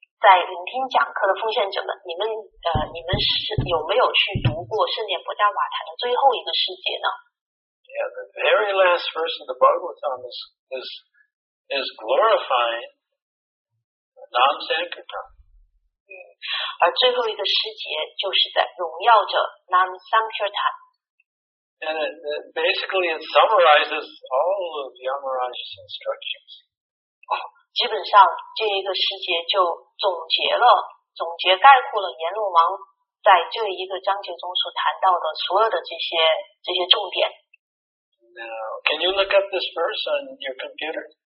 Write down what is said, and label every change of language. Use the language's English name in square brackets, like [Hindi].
[Chinese] 在聆听讲课的奉献者们，你们是有没有去读过圣典不加瓦坛的最后一个世界呢？ [English] Yeah, the very last verse of the Bhagavatam is glorifying Nam Sankirtan. [Chinese] 而最后一个世界就是在荣耀着 Nam Sankirtan. [English] And it basically summarizes all of Yamaraj's instructions. [Chinese] 基本上这一个时节就总结概括了阎罗王在这一个章节中所谈到的所有的这些重点。 [English] Now, can you look up this verse on your computer?